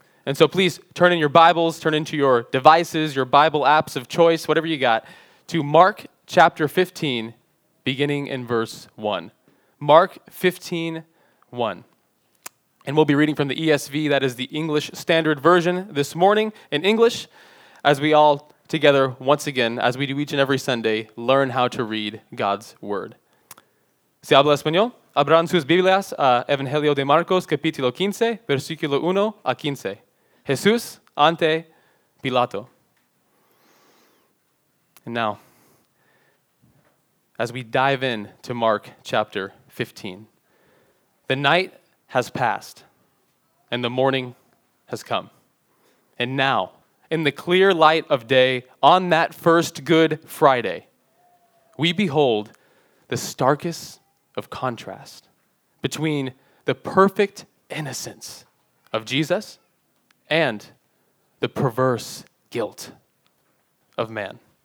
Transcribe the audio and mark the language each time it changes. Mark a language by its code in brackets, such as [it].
[en] And so please turn in your Bibles, turn into your devices, your Bible apps of choice, whatever you got, to Mark chapter 15, beginning in verse 1. Mark 15, 1. And we'll be reading from the ESV, that is the English Standard Version, this morning in English, as we all together, once again, as we do each and every Sunday, learn how to read God's Word. [es] Si habla español, abran sus Biblias a Evangelio de Marcos, capítulo 15, versículo 1 a 15. Jesús ante Pilato. [en] And now, as we dive in to Mark chapter 15, the night has passed and the morning has come. And now, in the clear light of day, on that first Good Friday, we behold the starkest of contrast between the perfect innocence of Jesus and the perverse guilt of man.